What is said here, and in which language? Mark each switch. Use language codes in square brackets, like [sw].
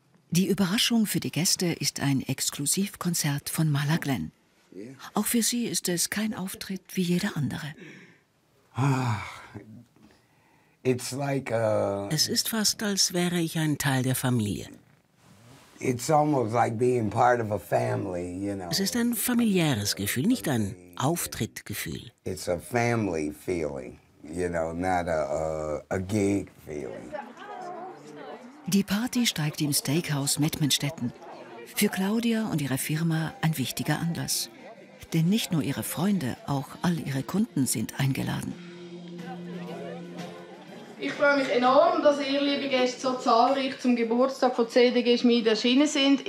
[de] Die Überraschung für die Gäste ist ein Exklusivkonzert von Marla Glenn. Auch für sie ist es kein Auftritt wie jeder andere. [en] It's like [de] es ist fast, als wäre ich ein Teil der Familie. [en] It's almost like being part of a family, you know. [de] Es ist ein familiäres Gefühl, nicht ein Auftrittgefühl. [en] It's a family feeling, you know, not a gig feeling. [de] Die Party steigt im Steakhouse Mettmannstetten. Für Claudia und ihre Firma ein wichtiger Anlass. Denn nicht nur ihre Freunde, auch all ihre Kunden sind eingeladen. Ich freue mich enorm, dass ihr, liebe Gäste, so zahlreich zum Geburtstag von CDG Schmied erschienen seid.